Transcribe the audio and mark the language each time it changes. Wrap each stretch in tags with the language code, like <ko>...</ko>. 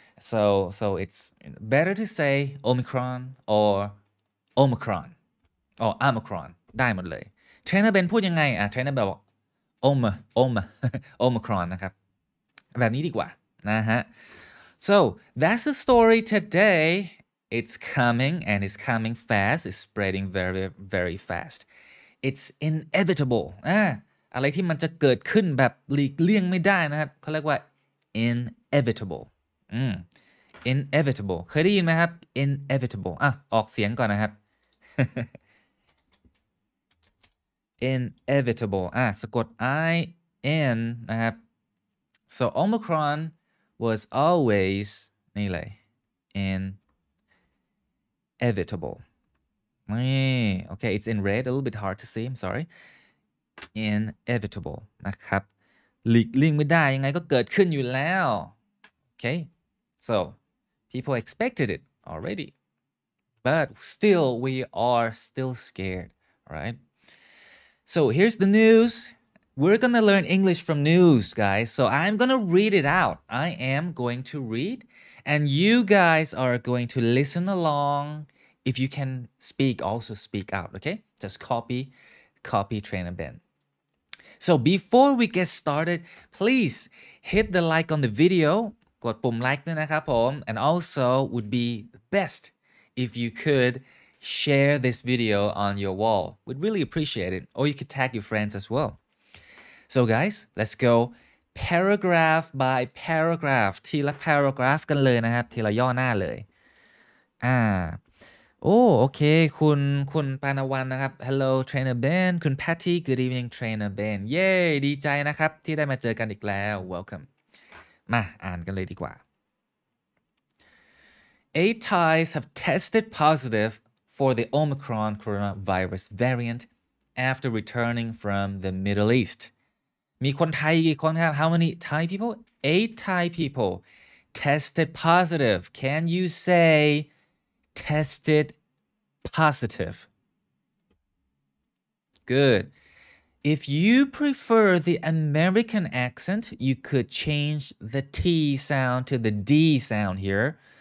<en>So it's better to say Omicron or Omicron or Omicron.</en> <th>ได้หมดเลยเทรนเนอร์เบนพูดยังไงอ่ะเทรนเนอร์เบนบอกโอ มิครอนนะครับแบบนี้ดีกว่านะฮะ</th> <en>so that's the story today it's coming and it's coming fast it's spreading very very fast it's inevitable</en> <th>อะไรที่มันจะเกิดขึ้นแบบหลีกเลี่ยงไม่ได้นะครับเขาเรียกว่า</th> <en>inevitable inevitable</en> <th>เคยได้ยินไหมครับ inevitable อ่ะออกเสียงก่อนนะครับ Inevitable.</th> <en>So got IN,</en> <th>นะครับ.</th> <en>So Omicron was always,</en> <th>นี่เลย,</th> <en>inevitable. นี่ okay, it's in red, a little bit hard to see, I'm sorry.</en> <th>Inevitable, นะครับ.หลีกเลี่ยงไม่ได้ ยังไงก็เกิดขึ้นอยู่แล้ว.</th> <en>Okay, so people expected it already. But still, we are still scared, right? So here's the news. We're gonna learn English from news, guys. So I'm gonna read it out. I am going to read, and you guys are going to listen along. If you can speak, also speak out, okay? Just copy Trainer Ben. So before we get started, please hit the like on the video.</en> <th>กดปุ่ม like ด้วยนะครับผม</th> <en>And also would be best if you could. Share this video on your wall. We'd really appreciate it. Or you could tag your friends as well. So guys, let's go paragraph by paragraph.</en> <th>ทีละ paragraph กันเลยนะครับ ทีละย่อหน้าเลย โอเค คุณปานวันนะครับ</th> <en>Hello, Trainer Ben.</en> <th>คุณ Patty.</th> <en>Good evening, Trainer Ben. Yay!</en> <th>ดีใจนะครับ ที่ได้มาเจอกันอีกแล้ว</th> <en>Welcome.</en> <th>มา อ่านกันเลยดีกว่า</th> <en>Eight Thais have tested positive. For the Omicron coronavirus variant after returning from the Middle East.</en> <th>มีคนไทยกี่คนครับ</th> <en>How many Thai people? 8 Thai people tested positive. Can you say tested positive? Good. If you prefer the American accent, you could change the T sound to the D sound here.</en>